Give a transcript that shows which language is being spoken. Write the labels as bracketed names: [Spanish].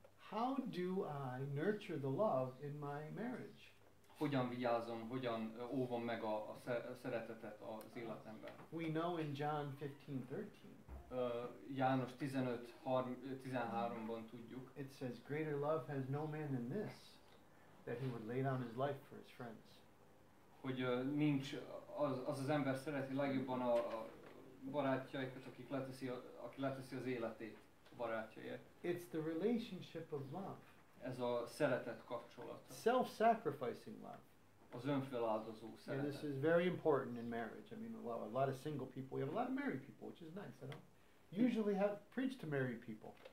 [English] How do I nurture the love in my marriage? [Hungarian] Hogyan vigyázom, hogyan óvom meg a szeretetet az életemben? [English] We know in John 15:13. [Hungarian] János 15:13-ban tudjuk. [English] It says, greater love has no man than this, that he would lay down his life for his friends. [Hungarian] Hogy nincs az ember szereti legjobban a barátjaikat, aki leteszi az életét. [English] It's the relationship of love. [Hungarian] Ez a szeretet kapcsolata. [English] Self-sacrificing love. [Hungarian] Az önfeláldozó szeretet. [English] And this is very important in marriage. I mean, a lot of single people, we have a lot of married people, which is nice. I don't usually preach to married people.